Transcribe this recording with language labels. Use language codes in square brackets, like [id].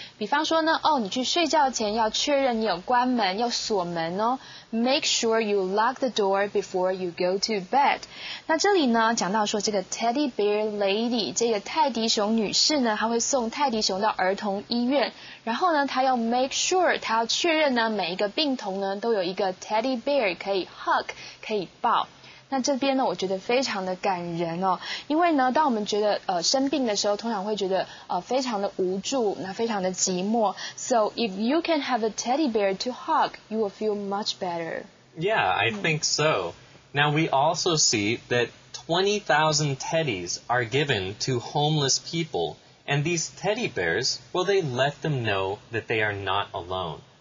[zh] 比方说呢哦你去睡觉前要确认你有关门要锁门哦。 [en] Make sure you lock the door before you go to bed. [zh] 那这里呢讲到说这个 teddy bear lady, 这个泰迪熊女士呢她会送泰迪熊到儿童医院。然后呢她要 make sure, 她要确认呢每一个病童呢都有一个 teddy bear 可以 hug, 可以抱。那这边呢我觉得非常的感人哦。因为呢当我们觉得生病的时候通常会觉得非常的无助那非常的寂寞。 [en] So, if you can have a teddy bear to hug, you will feel much better. Yeah, I think so. Now we also see that 20,000 teddies are given to homeless people. And these teddy bears, well, they let them know that they are not alone.